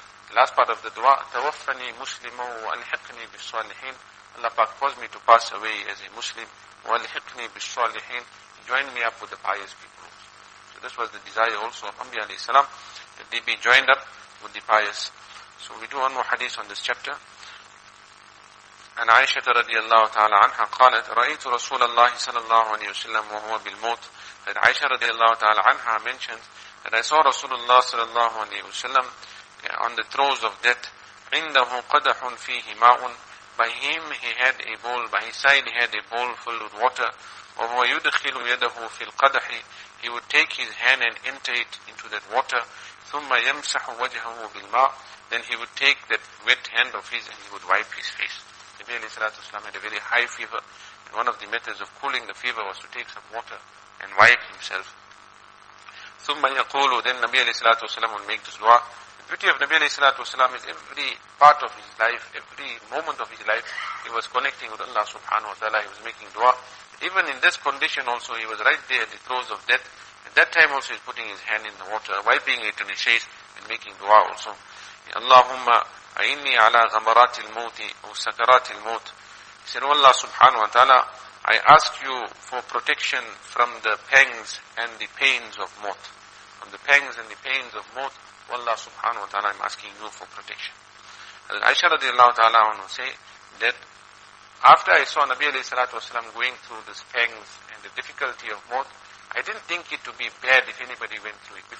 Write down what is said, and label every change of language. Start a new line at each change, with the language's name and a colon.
English: The last part of the dua,
Arabic: tawaffani muslimu wa al-hiqni bis-salihin.
English: Allah Pak caused me to pass away as a Muslim,
Arabic: wa al-hiqni bis-salihin,
English: join me up with the pious people. So this was the desire also of Anbiya alayhi salam, that they be joined up with the pious. So we do one more hadith on this chapter.
Arabic: عن عائشة رضي الله تعالى عنها قالت رأيت رسول الله صلى الله عليه وسلم وهو بالموت.
English: That عائشة رضي الله تعالى عنها mentions that I saw رسول الله صلى الله عليه وسلم on the throes of death.
Arabic: عنده قدح فيه ماء.
English: By him he had a bowl. By his side he had a bowl full of water.
Arabic: وهو يدخل يده في القدح.
English: He would take his hand and enter it into that water.
Arabic: ثم يمسح وجهه بالماء.
English: Then he would take that wet hand of his and he would wipe his face. Nabi alayhi salatu wasalam had a very high fever, and one of the methods of cooling the fever was to take some water and wipe himself.
Arabic: ثُمَّ يَقُولُ.
English: Then Nabi alayhi salatu wasalam would make this dua. The beauty of Nabi alayhi salatu wasalam is every part of his life, every moment of his life, he was connecting with Allah subhanahu wa ta'ala, he was making dua. Even in this condition also, he was right there at the throes of death. At that time also he was putting his hand in the water, wiping it in his face, and making dua also.
Arabic: Allahumma أعني على غمرات الموت أو سكرات الموت.
English: He said, Allah subhanahu wa ta'ala, I ask you for protection from the pangs and the pains of mort. From the pangs and the pains of mort, Allah subhanahu wa ta'ala, I'm asking you for protection. Aisha radiallahu ta'ala anhu say that after I saw Nabi alayhi salatu wasalam going through this pangs and the difficulty of mort, I didn't think it to be bad if anybody went through it.